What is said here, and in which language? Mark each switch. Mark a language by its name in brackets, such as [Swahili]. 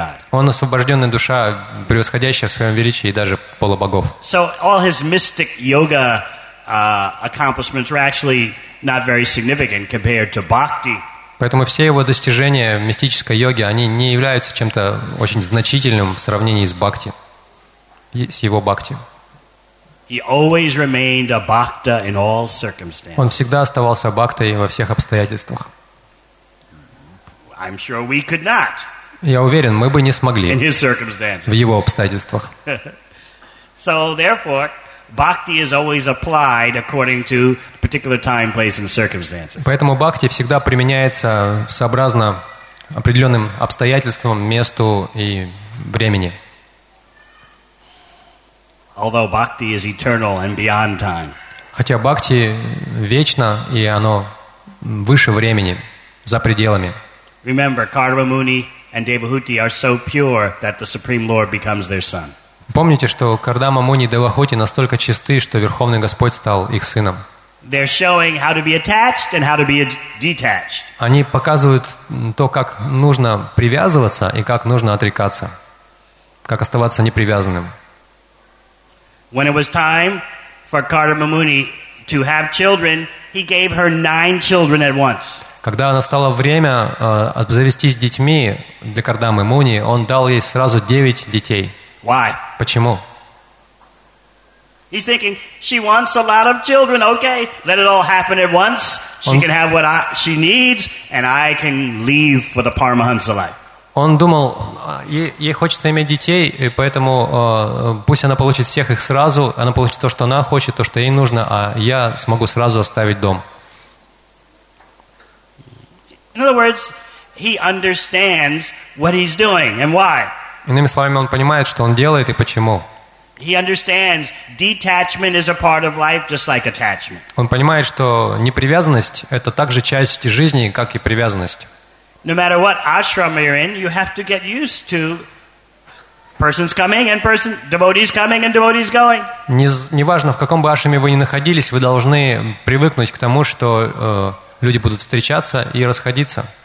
[Russian] Он освобожденная душа, превосходящая в своем величии даже полубогов. [English] So all his mystic yoga accomplishments were actually not very significant compared to bhakti. [Russian] Поэтому все его достижения в мистической йоге, они не являются чем-то очень значительным в сравнении с бхакти, с его бхакти. [English] He always remained a bhakta in all circumstances. [Russian] Он всегда оставался бхактой во всех обстоятельствах. [English] I'm sure we could not. [Russian] Я уверен, мы бы не смогли. [English] In his circumstances. [Russian] В его обстоятельствах. [English] So therefore, bhakti is always applied according to particular time, place, and circumstances. [Russian] Поэтому бхакти всегда применяется сообразно определенным обстоятельствам, месту и времени. [English] Although bhakti is eternal and beyond time. [Russian] Хотя бхакти вечно, и оно выше времени, за пределами. [English] Remember, Kardama Muni and Devahuti are so pure that the Supreme Lord becomes their son. [Russian] Помните, что Кардама Муни и Девахути настолько чисты, что Верховный Господь стал их сыном. [English] They're showing how to be attached and how to be detached. [Russian] Они показывают то, как нужно привязываться и как нужно отрекаться, как оставаться непривязанным. [English] When it was time for Kardama Muni to have children, he gave her 9 children at once. [Russian] Когда настало время обзавестись детьми для Кардамы Муни, он дал ей сразу 9 детей. [English] Why? [Russian] Почему? [English] He's thinking she wants a lot of children. Okay, let it all happen at once. She can have what she needs, and I can leave for the Paramahansa life. [Russian] Он думал, ей хочется иметь детей, и поэтому пусть она получит всех их сразу, она получит то, что она хочет, то, что ей нужно, а я смогу сразу оставить дом. [English] In other words, he understands what he's doing and why. [Russian] Иными словами, он понимает, что он делает и почему. [English] He understands detachment is a part of life, just like attachment. [Russian] Он понимает, что непривязанность — это также часть жизни, как и привязанность. [English] No matter what ashram you're in, you have to get used to persons coming and person devotees coming and devotees going. [Russian] Неважно, в каком бы ашраме вы ни находились, вы должны привыкнуть к тому, что люди будут встречаться и расходиться.